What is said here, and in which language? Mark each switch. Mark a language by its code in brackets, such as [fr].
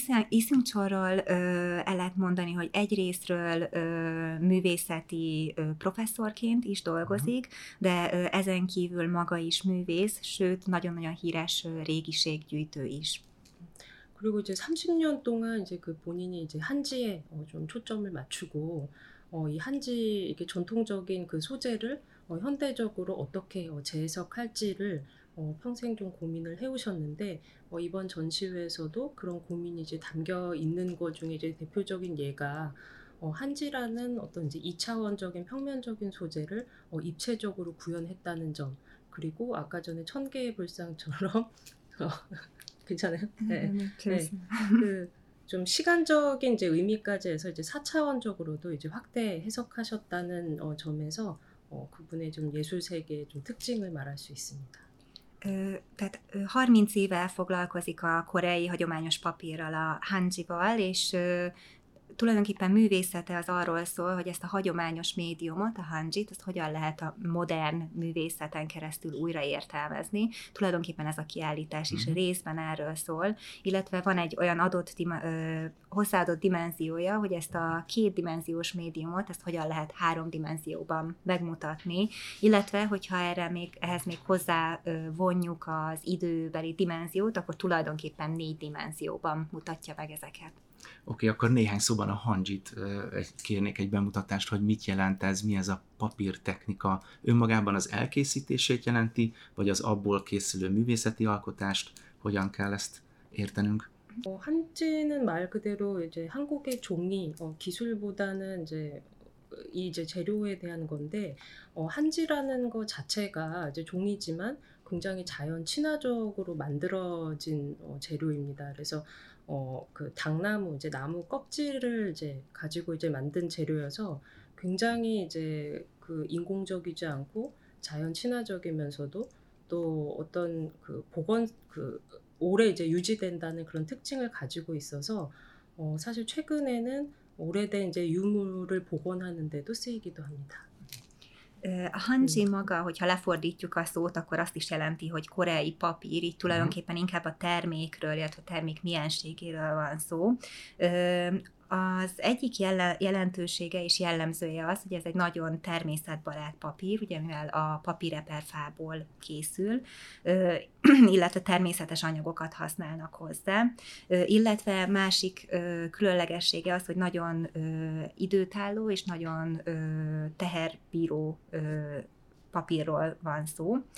[hu] 이승철을 el lehet mondani, hogy egyrésztről művészeti professzorként is dolgozik, de ezen kívül maga is művész, sőt nagyon-nagyon híres régiséggyűjtő is. [ko] 그리고 이제 30년 동안 이제 그 본인이 이제 한지에 좀 초점을 맞추고 이 한지 이렇게 전통적인 그 소재를 현대적으로 어떻게 재해석할지를 평생 좀 고민을 해오셨는데 이번 전시회에서도 그런 고민이 이제 담겨 있는 것 중에 이제 대표적인 예가 한지라는 어떤 이제 2차원적인 평면적인 소재를 입체적으로 구현했다는 점 그리고 아까 전에 천 개의 불상처럼 괜찮아요? 네. 그 좀 시간적인 이제 의미까지 해서 이제 4차원적으로도 이제 확대 해석하셨다는 점에서 그분의 좀 예술 세계의 좀 특징을 말할 수 있습니다. [hu] Tehát 30 éve foglalkozik a koreai hagyományos papírral, a hanjival, és tulajdonképpen művészete az arról szól, hogy ezt a hagyományos médiumot, a hanjit, azt hogyan lehet a modern művészeten keresztül újraértelmezni. Tulajdonképpen ez a kiállítás is részben erről szól, illetve van egy olyan adott hozzáadott dimenziója, hogy ezt a kétdimenziós médiumot, ezt hogyan lehet három dimenzióban megmutatni, illetve, hogyha ehhez még hozzá vonjuk az időbeli dimenziót, akkor tulajdonképpen négy dimenzióban mutatja meg ezeket. Oké, akkor néhány szóban a hanjit kérnék egy bemutatást, hogy mit jelent ez, mi ez a papírtechnika. Önmagában az elkészítését jelenti, vagy az abból készülő művészeti alkotást, hogyan kell ezt értenünk? A hanjinen már [ko] 그대로 이제 한국의 종이 기술보다는 이제 이제 재료에 대한 건데 한지라는 거 자체가 이제 종이지만 굉장히 자연 친화적으로 만들어진 재료입니다. 그래서 그 당나무 이제 나무 껍질을 이제 가지고 이제 만든 재료여서 굉장히 이제 그 인공적이지 않고 자연 친화적이면서도 또 어떤 그 복원 그 오래 이제 유지된다는 그런 특징을 가지고 있어서 사실 최근에는 오래된 이제 유물을 복원하는 데도 쓰이기도 합니다. [hu] A hanji maga, hogyha lefordítjuk a szót, akkor azt is jelenti, hogy koreai papír, így tulajdonképpen inkább a termékről, illetve a termék mienségéről van szó. Az egyik jelentősége és jellemzője az, hogy ez egy nagyon természetbarát papír, ugye mivel a papíreperfából készül, illetve természetes anyagokat használnak hozzá, illetve másik különlegessége az, hogy nagyon időtálló és nagyon teherbíró papírról van szó,